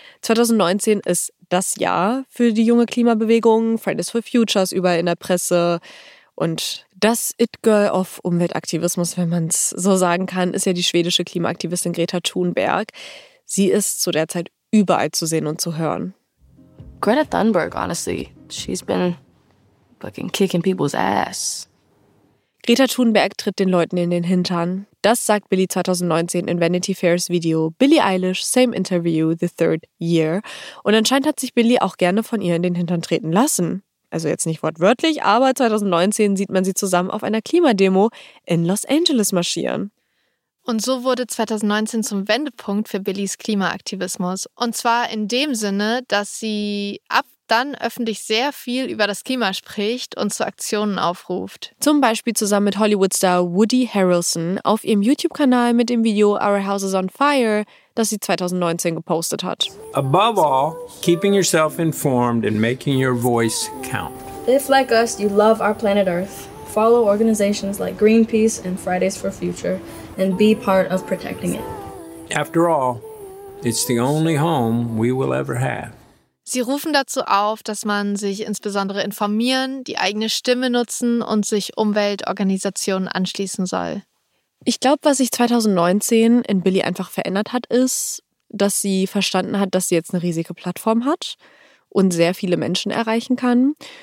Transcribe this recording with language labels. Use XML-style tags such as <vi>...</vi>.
<de>2019 ist das Jahr für die junge Klimabewegung, Fridays for Futures überall in der Presse. Und das It-Girl of Umweltaktivismus, wenn man es so sagen kann, ist ja die schwedische Klimaaktivistin Greta Thunberg. Sie ist zu der Zeit überall zu sehen und zu hören.</de> <en>Greta Thunberg, honestly, she's been fucking kicking people's ass.</en> <de>Greta Thunberg tritt den Leuten in den Hintern. Das sagt Billie 2019 in Vanity Fair's Video Billie Eilish, same interview, the third year. Und anscheinend hat sich Billie auch gerne von ihr in den Hintern treten lassen. Also jetzt nicht wortwörtlich, aber 2019 sieht man sie zusammen auf einer Klimademo in Los Angeles marschieren. Und so wurde 2019 zum Wendepunkt für Billys Klimaaktivismus. Und zwar in dem Sinne, dass sie ab dann öffentlich sehr viel über das Klima spricht und zu Aktionen aufruft. Zum Beispiel zusammen mit Hollywood-Star Woody Harrelson auf ihrem YouTube-Kanal mit dem Video Our House is on Fire, das sie 2019 gepostet hat.</de> <en>Above all, keeping yourself informed and making your voice count. If like us, you love our planet Earth, follow organizations like Greenpeace and Fridays for Future and be part of protecting it. After all, it's the only home we will ever have.</en> <de>Sie rufen dazu auf, dass man sich insbesondere informieren, die eigene Stimme nutzen und sich Umweltorganisationen anschließen soll. Ich glaube, was sich 2019 in Billy einfach verändert hat, ist, dass sie verstanden hat, dass sie jetzt eine riesige Plattform hat und sehr viele Menschen erreichen kann.</de>